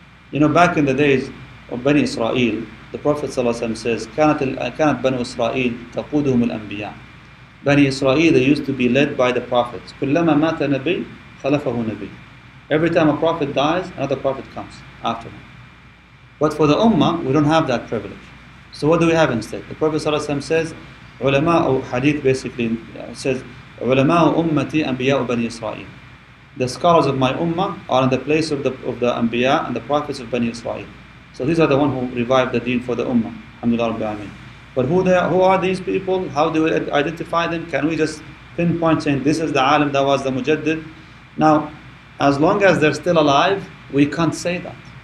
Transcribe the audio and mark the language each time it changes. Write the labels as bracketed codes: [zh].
[en] You know, back in the days of Bani Israel, the Prophet says, [ar] كانت بني إسرائيل تقودهم الأنبياء. [en] Bani Israel, they used to be led by the prophets. [ar] كلما مات نبي خلفه نبي. [en] Every time a prophet dies, another prophet comes after him. But for the Ummah, we don't have that privilege. So what do we have instead? The Prophet says, [ar] علماء حديث [en] basically says, [ar] علماء أمتي أنبياء بني إسرائيل. [en] The scholars of my Ummah are in the place of the Anbiya and the prophets of Bani Israel. So these are the ones who revived the deen for the Ummah. Alhamdulillah Rabbil Alameen. But who are these people? How do we identify them? Can we just pinpoint saying this is the alim that was the mujaddid? Now, as long as they're still alive, we can't say that.